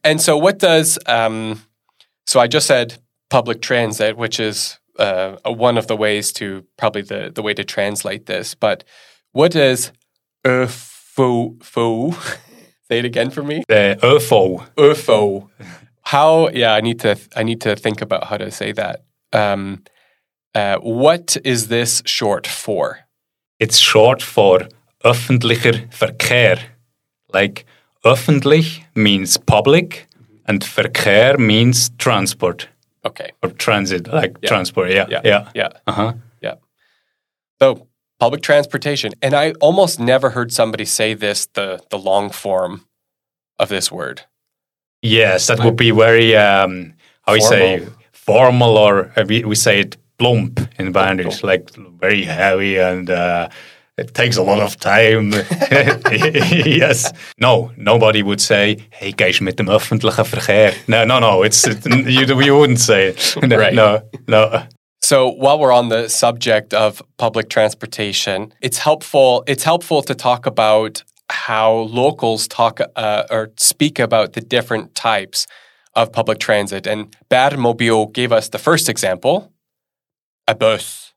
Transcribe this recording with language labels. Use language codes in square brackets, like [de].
[en] And so what does, so I just said public transit, which is one of the ways to, probably the way to translate this, but what does ÖV? Say it again for me. ÖFO. ÖFO. How? Yeah, I need to think about how to say that. What is this short for? It's short for [de] öffentlicher Verkehr. [en] Like öffentlich means public, and Verkehr means transport. Okay. Or transit, like transport. Yeah. So. Public transportation. And I almost never heard somebody say this, the long form of this word. Yes, that would be very, how formal. We say, formal, or we say it plump in Bandage, like very heavy and it takes a lot of time. Yes. No, nobody would say, hey, [de] gehst mit dem öffentlichen Verkehr. [en] No, you wouldn't say it. Right. No. So while we're on the subject of public transportation, it's helpful to talk about how locals talk or speak about the different types of public transit. And Bärmobil gave us the first example, a bus.